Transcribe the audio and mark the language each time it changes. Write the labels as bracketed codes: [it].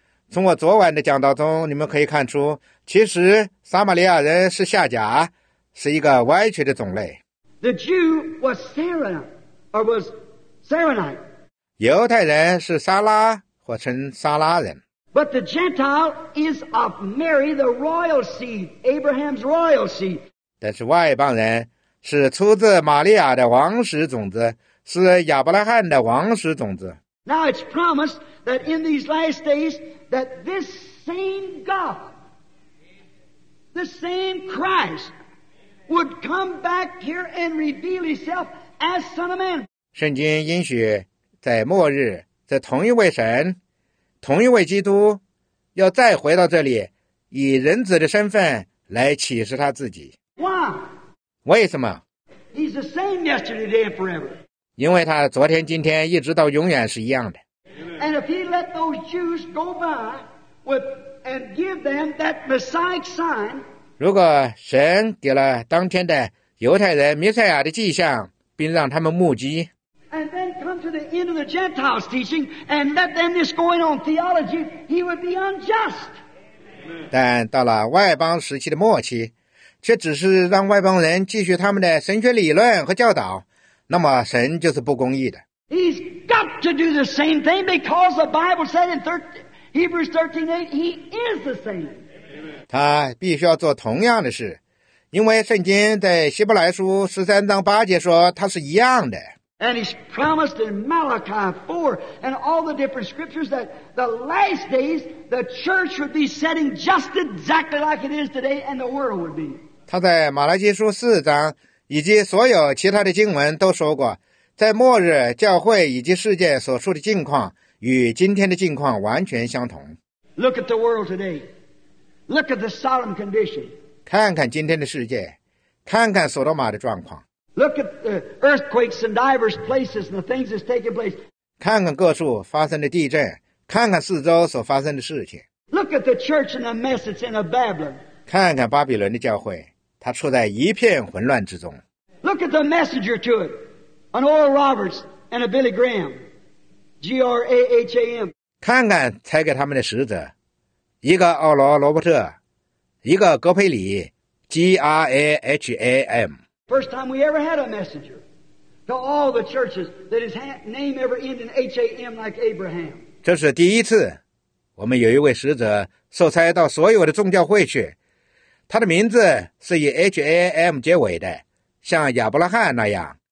[zh] 从我昨晚的讲道中，你们可以看出，其实撒玛利亚人是下甲，是一个歪曲的种类。 [en] The Jew was Sarah, or was Saronite. [zh] 犹太人是撒拉，或称撒拉人。 [en] But the Gentile is of Mary, the royal seed, Abraham's royal seed. [zh] 但是外邦人是出自玛利亚的王室种子，是亚伯拉罕的王室种子。 [en] Now it's promised that in these last days that this same God, the same Christ, would come back here and reveal himself as Son of Man. [zh] 圣经应许在末日，这同一位神，同一位基督，要再回到这里，以人子的身份来启示他自己。 [en] Why? [zh] 为什么？ [en] He's the same yesterday, today, and forever. [zh] 因为他昨天、今天一直到永远是一样的。 [en] And if he let those Jews go by with and give them that Messiah sign, [zh] 如果神给了当天的犹太人弥赛亚的迹象，并让他们目击。 [en] And then come to the end of the Gentiles teaching and let them this going on theology, he would be unjust. [zh] 但到了外邦时期的末期，却只是让外邦人继续他们的神学理论和教导，那么神就是不公义的。 [en] He's got to do the same thing because the Bible said in Hebrews 13:8, he is the same. [zh] 他必须要做同样的事，因为圣经在希伯来书13:8说他是一样的。 [en] And he's promised in Malachi 4 and all the different scriptures that the last days the church would be setting just exactly like it is today and the world would be. [zh] 他在马拉基书四章以及所有其他的经文都说过，在末日教会以及世界所处的境况与今天的境况完全相同。 [en] Look at the world today. Look at the solemn condition. [zh] 看看今天的世界，看看索多玛的状况。 [en] Look at the earthquakes in diverse places and the things that's taking place. [zh] 看看各处发生的地震，看看四周所发生的事情。 [en] Look at the church and the mess that's in a Babylon. [zh] 看看巴比伦的教会，它处在一片混乱之中。 [en] Look at the messenger to it, an Oral Roberts and a Billy Graham, G-R-A-H-A-M. [zh] 看看差给他们的使者，一个奥罗罗伯特，一个格佩里 ，G-R-A-H-A-M。 [en] First time we ever had a messenger to all the churches that his name ever ended in H-A-M like Abraham. [zh] 这是第一次我们有一位使者受差到所有的众教会去，他的名字是以 H-A-M 结尾的，像亚伯拉罕那样。